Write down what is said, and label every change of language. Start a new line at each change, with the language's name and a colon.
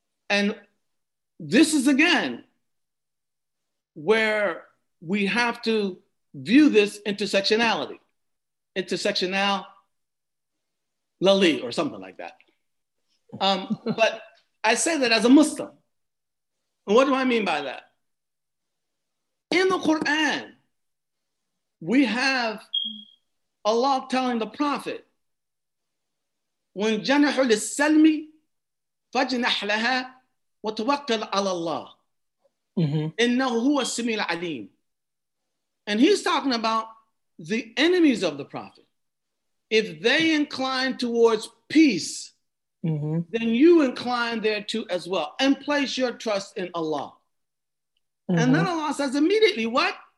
English: And this is again where we have to view this intersectionality. Intersectionality or something like that. but I say that as a Muslim. And what do I mean by that? In the Quran, we have Allah telling the Prophet, when
Arabic: جَنَحُ لِلسَّلْمِ فَجْنَحْ لَهَا وَتَوَكَّلْ عَلَى اللَّهِ إِنَّهُ هُوَ السَّمِيعُ الْعَلِيمُ.
English: And he's talking about the enemies of the Prophet. If they incline towards peace, then you incline thereto as well and place your trust in Allah. And then Allah says immediately, what?